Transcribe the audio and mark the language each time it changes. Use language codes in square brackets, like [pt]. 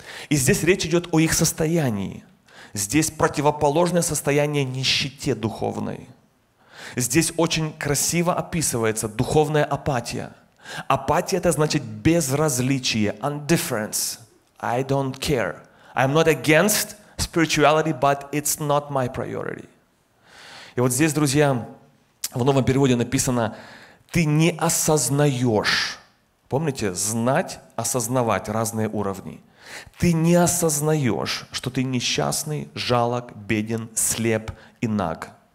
[ru] И здесь речь идет о их состоянии. Здесь противоположное состояние нищете духовной. Здесь очень красиво описывается духовная апатия. Апатия – это значит безразличие, indifference. [en] I don't care. I'm not against spirituality, but it's not my priority. [ru] И вот здесь, друзья, в новом переводе написано, ты не осознаешь. Помните, знать, осознавать разные уровни. Ты не осознаешь, что ты несчастный, жалок, беден, слеп и наг.